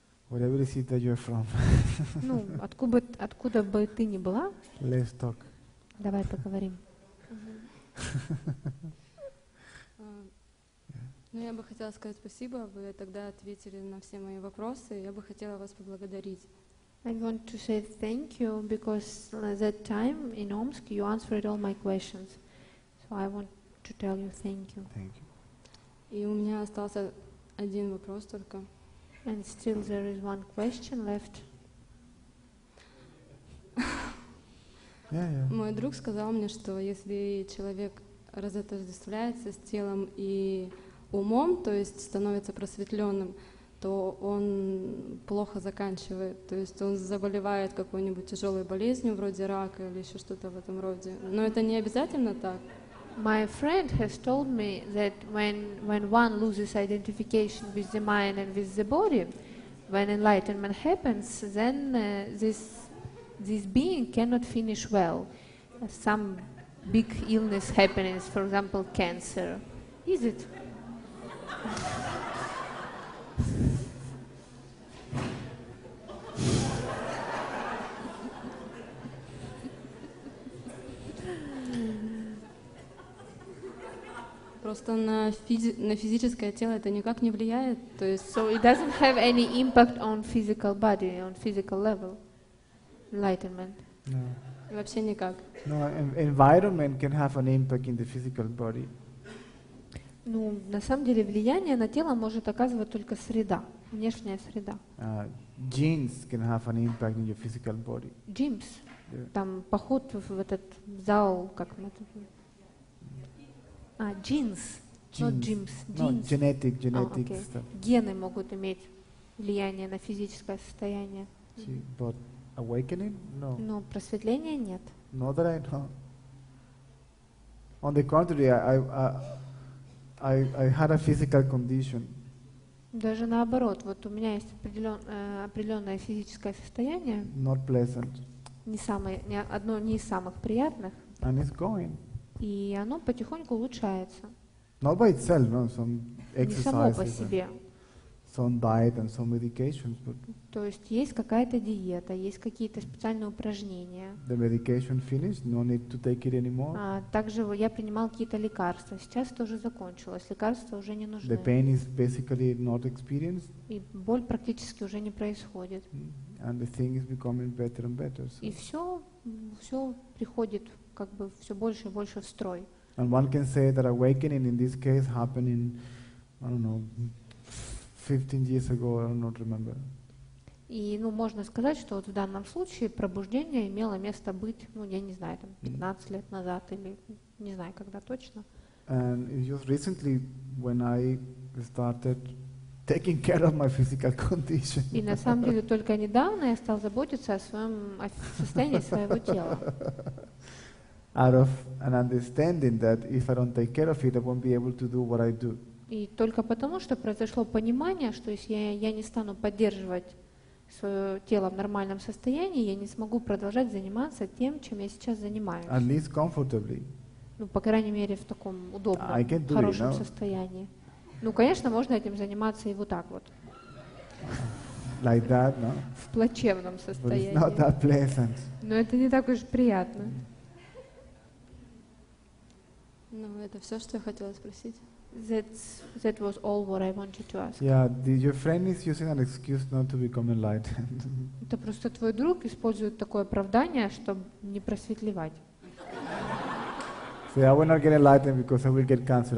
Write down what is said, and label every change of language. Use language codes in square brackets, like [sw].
[en] Whatever city that you're from. [ru] Ну, откуда бы ты ни была. [en] Let's talk. [ru] Давай поговорим. Ну, я бы хотела сказать спасибо. Вы тогда ответили на все мои вопросы. Я бы хотела вас поблагодарить. [en] I want to say thank you because that time in Omsk you answered all my questions. So I want to tell you thank you. Thank you. [ru] И у меня остался один вопрос только. [en] And still there is one question left. Yeah, yeah. [ru] Мой друг сказал мне, что если человек разотождествляется с телом и умом, то есть становится просветленным, то он плохо заканчивает, то есть он заболевает какой-нибудь тяжелой болезнью, вроде рака или еще что-то в этом роде. Но это не обязательно так. [en] My friend has told me that when one loses identification with the mind and with the body, when enlightenment happens, then this being cannot finish well. Some big illness happens, for example, cancer. Is it? [ru] Просто на физическое тело это никак не влияет, то есть [en] so it doesn't have any impact on physical body, on physical level. Enlightenment. No. [ru] Вообще никак. [en] No, environment can have an impact in the physical body. [ru] Ну, на самом деле влияние на тело может оказывать только среда, внешняя среда. [en] Genes can have an impact in your physical body. Genes. Yeah. [ru] Там поход в этот зал, как мы это. [en] Genes. Genetic okay. Stuff. [ru] Гены могут иметь влияние на физическое состояние. [en] See, but awakening? No. [ru] Но просветления нет. [en] Not that I know. On the contrary, I had a physical condition. [ru] Даже наоборот, вот у меня есть определенное физическое состояние. [en] Not pleasant. [ru] Не из самых приятных. [en] And it's going. [ru] И оно потихоньку улучшается. [en] Not by itself, no. Some exercises. [ru] Не само по себе. [en] Some diet and some medications, but. [ru] То есть есть какая-то диета, есть какие-то специальные упражнения. [en] The medication finished, no need to take it anymore. [ru] А также я принимал какие-то лекарства. Сейчас это уже закончилось, лекарства уже не нужны. [en] The pain is basically not experienced. [ru] И боль практически уже не происходит. [en] And the thing is becoming better and better. So. [ru] И все приходит. Как бы все больше и больше в строй. [en] And one can say that awakening in this case happened in, I don't know, 15 years ago, I don't remember. [ru] И, ну, можно сказать, что вот в данном случае пробуждение имело место быть, ну, я не знаю, там, 15 лет назад или не знаю, когда точно. [en] And it was recently when I started taking care of my physical condition. [ru] И на самом деле только недавно я стал заботиться о своем состоянии своего тела. [en] Out of an understanding that if I don't take care of it, I won't be able to do what I do. [ru] И только потому, что произошло понимание, что если я не стану поддерживать свое тело в нормальном состоянии, я не смогу продолжать заниматься тем, чем я сейчас занимаюсь. [en] At least comfortably. [ru] Ну, по крайней мере, в таком удобном, хорошем состоянии. Ну, конечно, можно этим заниматься и вот так вот. [en] Like that, no? [ru] В плачевном состоянии. [en] But it's not that pleasant. [ru] Но это не так уж приятно. Ну, это все, что я хотела спросить. [en] That was all what I wanted to ask. Yeah, your friend is using an excuse not to become enlightened. [ru] Это просто твой друг использует такое оправдание, чтобы не просветлевать. [en] So I will not get enlightened because I will get cancer.